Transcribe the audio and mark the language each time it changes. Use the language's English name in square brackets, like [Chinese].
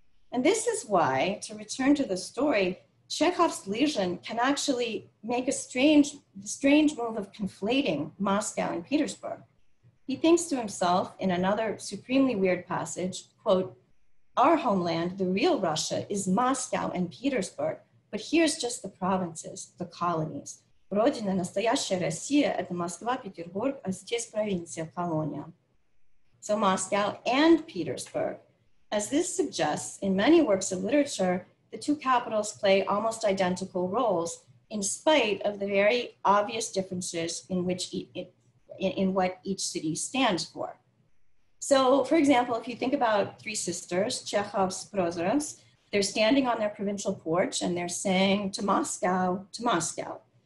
[English] And this is why, to return to the story, Chekhov's lesion can actually make a strange move of conflating Moscow and Petersburg. He thinks to himself in another supremely weird passage, quote, "Our homeland, the real Russia, is Moscow and Petersburg, but here's just the provinces, the colonies. [Russian] Родина настоящая Россия – это Москва, Петербург, а здесь провинция, колония." [English] So Moscow and Petersburg. As this suggests, in many works of literature, the two capitals play almost identical roles in spite of the very obvious differences in what each city stands for. So, for example, if you think about three sisters, Chekhov's Prozorovs, they're standing on their provincial porch and they're saying, "To Moscow, to Moscow."